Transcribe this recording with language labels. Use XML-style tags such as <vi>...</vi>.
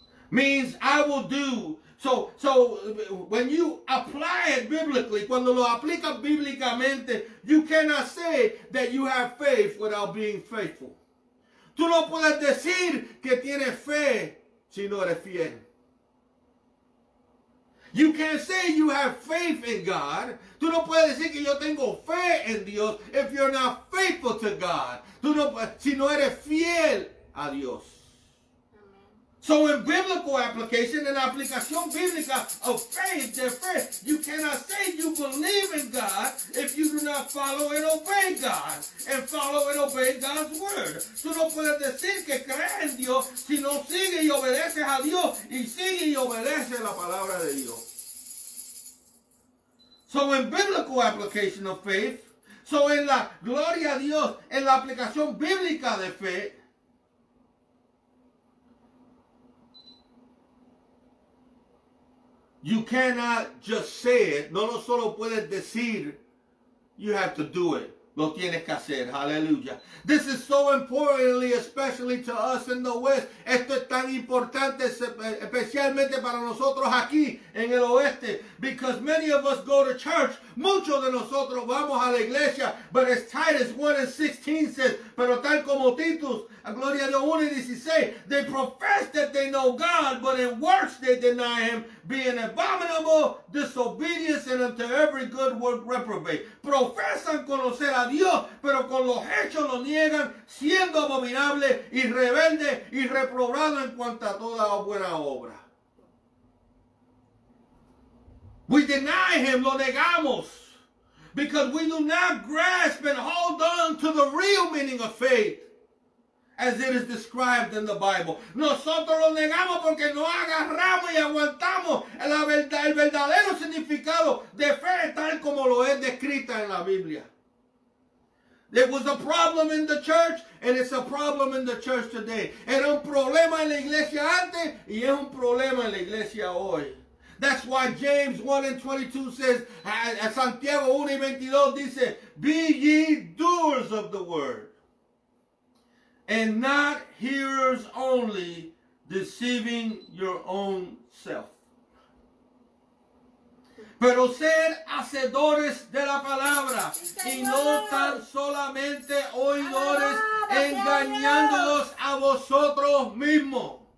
<en>Means I will do. So when you apply it biblically,</en> <es>cuando lo aplica bíblicamente,</es> <en>you cannot say that you have faith without being faithful.</en> <es>Tú no puedes decir que tienes fe si no eres fiel.</es> <en>You can't say you have faith in God.</en> <es>Tú no puedes decir que yo tengo fe en Dios</es> <en>if you're not faithful to God.</en> <es>Tú no, si no eres fiel a Dios.</es> <en>So in biblical application, in</en> <es>aplicación bíblica</es> <en>of faith, their faith, you cannot say you believe in God if you do not follow and obey God, and follow and obey God's word.</en> <es>Tú no puedes decir que crees en Dios si no sigues y obedeces a Dios, y sigues y obedeces la palabra de Dios.</es> <en>So in biblical application of faith, so</en> <es>en la gloria a Dios, en la aplicación bíblica de fe,</es> <en>you cannot just say it.</en> <es>No, no solo puedes decir.</es> <en>You have to do it.</en> <es>lo tienes que hacer. Hallelujah.</es> <en>This is so importantly, especially to us in the West.</en> <es>Esto es tan importante, especialmente para nosotros aquí en el oeste.</es> <en>Because many of us go to church.</en> <es>Muchos de nosotros vamos a la iglesia.</es> <en>But as Titus 1:16 says,</en> <es>pero tal como Titus, a Gloria de 1:16,</es> <en>they profess that they know God, but in works they deny him, being abominable, disobedient, and unto every good work reprobate.</en> <es>Profesan conocer a Dios, pero con los hechos lo niegan, siendo abominable y rebelde y reprobado en cuanto a toda buena obra.</es> <en>We deny him,</en> <es>lo negamos,</es> <en>because we do not grasp and hold on to the real meaning of faith as it is described in the Bible.</en> <es>Nosotros lo negamos porque no agarramos y aguantamos el verdadero significado de fe tal como lo es descrita en la Biblia.</es> <en>It was a problem in the church, and it's a problem in the church today.</en> <es>Era un problema en la iglesia antes, y es un problema en la iglesia hoy.</es> <en>That's why James 1:22 says,</en> <es>Santiago 1:22 dice,</es> <en>be ye doers of the word, and not hearers only, deceiving your own self.</en> <es>Pero ser hacedores de la palabra, y no tan solamente oidores, engañándolos a vosotros mismos.</es>